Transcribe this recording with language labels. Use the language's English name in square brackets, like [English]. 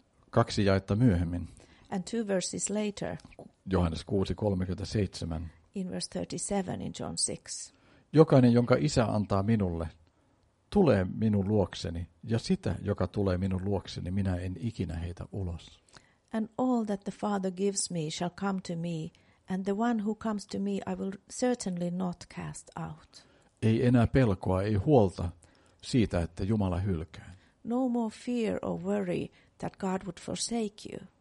[Finnish] Kaksi jaetta myöhemmin. [English] And two verses later. [Finnish] Johannes 6:37. [English] In verse 37 in John 6. [Finnish] Jokainen, jonka isä antaa minulle, tulee minun luokseni, ja sitä, joka tulee minun luokseni, minä en ikinä heitä ulos. [English] And all that the Father gives me shall come to me, and the one who comes to me I will certainly not cast out. [Finnish] Ei enää pelkoa, ei huolta siitä, että Jumala hylkää. [English] No more fear or worry that God would forsake you.